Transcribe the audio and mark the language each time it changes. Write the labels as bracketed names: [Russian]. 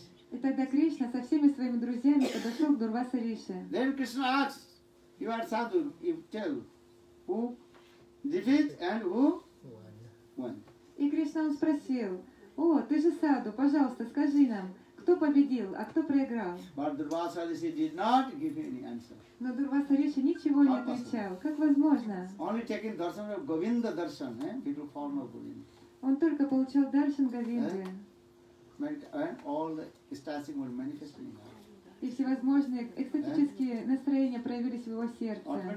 [Russian] И тогда Кришна со всеми своими друзьями подошел к Дурваса Риши. [English] Then Krishna asked, you are sadhu, you tell who defeat and who won. [Russian] И Кришна он спросил, о, ты же саду, пожалуйста, скажи нам, кто победил, а кто проиграл? [English] But Durvasa Rishi did not give any answer. [Russian] Но Дурваса Риши ничего не отвечал. Как возможно? [English] Only taking darshan of Govinda darshan, beautiful form of Govinda. [Russian] Он только получил даршан Говинды. [English] All the ecstatic were manifesting in her. [Russian] И всевозможные экстатические настроения проявились в его сердце.